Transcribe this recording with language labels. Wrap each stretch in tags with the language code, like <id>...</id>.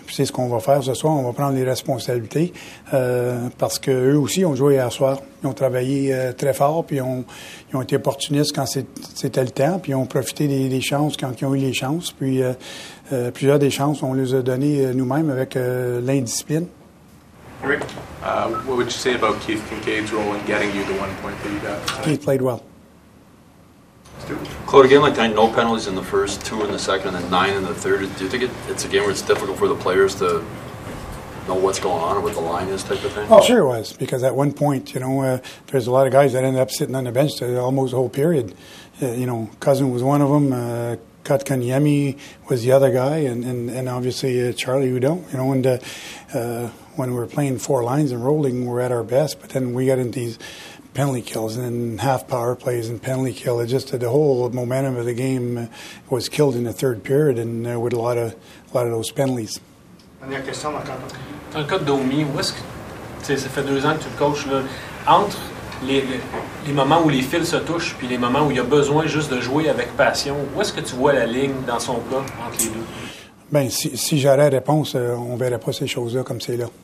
<fr>Puis c'est ce qu'on va faire ce soir. On va prendre les responsabilités parce qu'eux aussi ont joué hier soir. Ils ont travaillé très fort, puis ils ont été opportunistes quand c'était le temps, puis ils ont profité des chances quand ils ont eu les chances. Puis plusieurs des chances, on les a données nous-mêmes avec l'indiscipline.</fr> <en>Rick, what would you say about Keith Kincaid's role in getting you the one point that you got? Keith played well. Claude, a game like that, no penalties in the first, two in the second, and then 9 in the third. Do you think it's a game where it's difficult for the players to know what's going on or what the line is type of thing? Oh, sure it was, because at one point, there's a lot of guys that ended up sitting on the bench almost the whole period. Cousin was one of them, Kotkaniemi was the other guy, and obviously Charlie Hudon. When we were playing four lines and rolling, we were at our best, but then we got into these penalty kills and half power plays and penalty kill. It just the whole momentum of the game was killed in the third period and with a lot of those penalties.</en> <fr>Dernière question, Marc-Antoine. Dans le cas de Domi, où est-ce que ça fait deux ans que tu le coaches là, entre les moments où les fils se touchent puis les moments où il a besoin juste de jouer avec passion, où est-ce que tu vois la ligne dans son cas entre les deux? Ben si j'aurais réponse, on verrait pas ces choses-là comme c'est là.</fr>